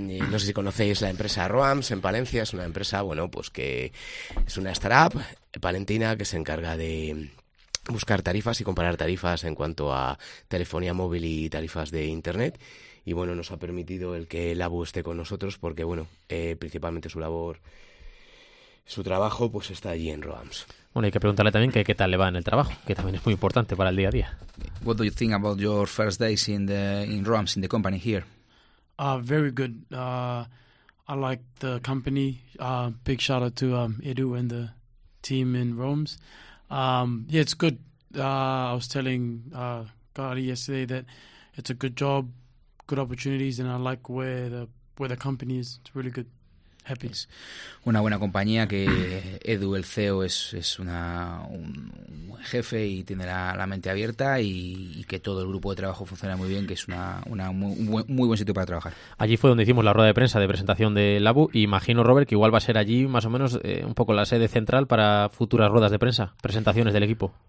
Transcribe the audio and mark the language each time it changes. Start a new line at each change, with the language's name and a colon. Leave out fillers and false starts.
Spanish: No sé si conocéis la empresa Roams en Palencia, es una empresa, bueno, pues que es una startup palentina que se encarga de buscar tarifas y comparar tarifas en cuanto a telefonía móvil y tarifas de internet. Y bueno, nos ha permitido el que Labu esté con nosotros porque, bueno, principalmente su labor, su trabajo, pues está allí en Roams. Bueno, hay que preguntarle también qué tal le va en el trabajo, que también es muy importante para el día a día.
English: What do you think about your first days in Roams, in the company here? Very good. I like the company. Big shout out to Edu and the team in Roams. Yeah, it's good. I was telling Gary yesterday that it's a good job, good opportunities, and I like where the company is. It's really good. Happy.
Spanish: Es una buena compañía, que Edu, el CEO, es un buen jefe y tiene la mente abierta y que todo el grupo de trabajo funciona muy bien, que es un muy buen sitio para trabajar. Allí fue donde hicimos la rueda de prensa de presentación de Labu. Imagino, Robert, que igual va a ser allí más o menos un poco la sede central para futuras ruedas de prensa, presentaciones del equipo.